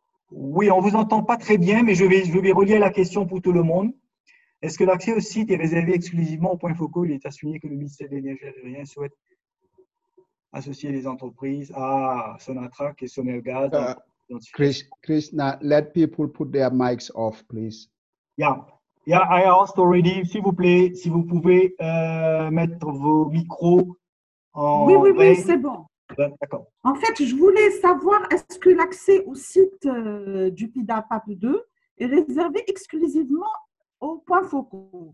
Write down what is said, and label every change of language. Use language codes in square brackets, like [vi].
[fr] Oui, on ne vous entend pas très bien, mais je vais relier la question pour tout le monde. Est-ce que l'accès au site est réservé exclusivement aux points focaux? Il est assuré que le ministère de l'Énergie algérien souhaite associer les entreprises à Sonatrach et Sonelgaz. [en] Krishna, let people put their mics off, please. Yeah, yeah, I asked already. [fr] S'il vous plaît, si vous pouvez mettre vos micros en... Oui, oui, oui, c'est bon. D'accord. En fait, je voulais savoir, est-ce que l'accès au site du PIDA PAP2 est réservé exclusivement aux points focaux?